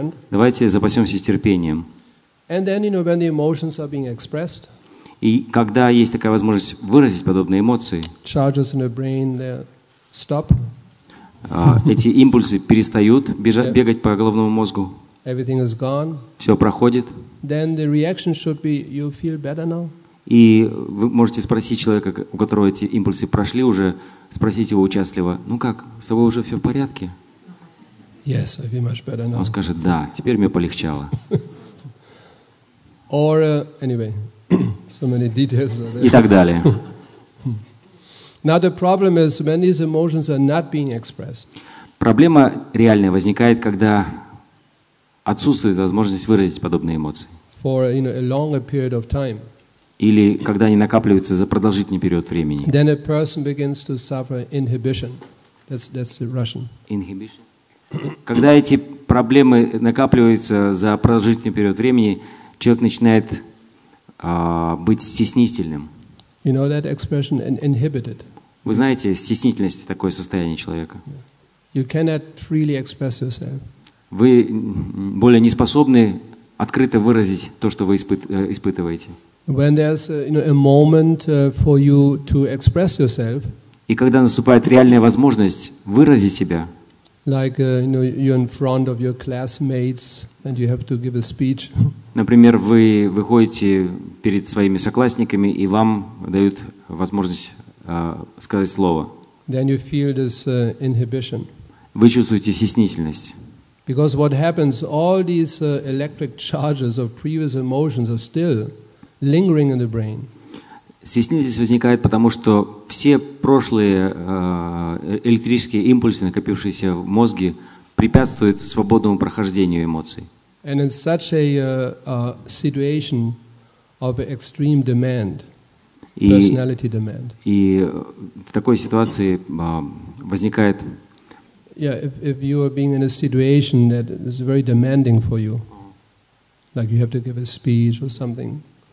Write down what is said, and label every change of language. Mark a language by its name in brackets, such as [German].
[Russian] Давайте запасемся терпением. [English] And then, you know, when the emotions are being expressed, [Russian] и когда есть такая возможность выразить подобные эмоции, [English] charges in the brain, they stop. [Russian] Эти импульсы перестают бегать по головному мозгу. [English] Everything is gone. [Russian] Все проходит. [English] Then the reaction should be, you feel better now. [Russian] И вы можете спросить человека, у которого эти импульсы прошли уже, спросить его участливо, ну как, с тобой уже все в порядке? [English] Yes, I feel much better now. [Russian] Он скажет, да, теперь мне полегчало. [English] Or, anyway, so many details are there. [Russian] И так далее. [English] Now the problem is, when these emotions are not being expressed. [Russian] Проблема реальная возникает, когда отсутствует возможность выразить подобные эмоции. [English] For, you know, a longer period of time. [Russian] Или когда они накапливаются за продолжительный период времени. [English] Then a person begins to suffer inhibition. That's the Russian. Inhibition. [Russian] Когда эти проблемы накапливаются за продолжительный период времени, человек начинает быть стеснительным. [English] You know that expression, inhibited. [Russian] Вы знаете, стеснительность — такое состояние человека. [English] You cannot freely express yourself. [Russian] Вы более не способны открыто выразить то, что вы испытываете. [English] When there's, you know, a moment for you to express yourself. [Russian] И когда наступает реальная возможность выразить себя. [English] Like, you know, you're in front of your classmates and you have to give a speech. [Russian] Например, вы выходите перед своими соклассниками и вам дают возможность сказать слово. [English] Then you feel this inhibition. [Russian] Вы чувствуете стеснительность. [English] Because what happens, all these electric charges of previous emotions are still lingering in the brain. [Russian] Стеснительность возникает потому, что все прошлые электрические импульсы, накопившиеся в мозге, препятствует свободному прохождению эмоций. [English] And in such a situation of extreme demand, personality demand. [Russian] И в такой ситуации возникает. [English] Yeah, if you are being in a situation that is very demanding for you, like you have to give a speech or something.